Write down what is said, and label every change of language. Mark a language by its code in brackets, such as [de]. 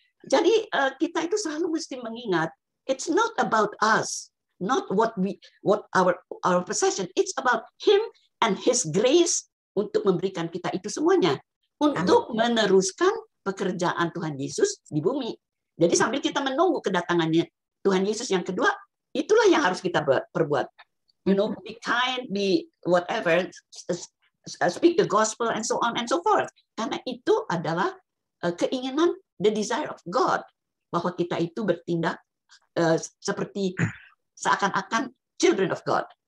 [id] Jadi kita itu selalu mesti mengingat, [en] it's not about us, not what we, what our possession, it's about him and his grace [id] untuk memberikan kita itu semuanya untuk meneruskan pekerjaan Tuhan Yesus di bumi. Jadi sambil kita menunggu kedatangannya Tuhan Yesus yang kedua, itulah yang harus kita perbuat. [en] You know, be kind, be whatever, speak the gospel, and so on and so forth. [id] Karena itu adalah keinginan, [en] the desire of God, [id] bahwa kita itu bertindak seperti seakan-akan [en] children of God.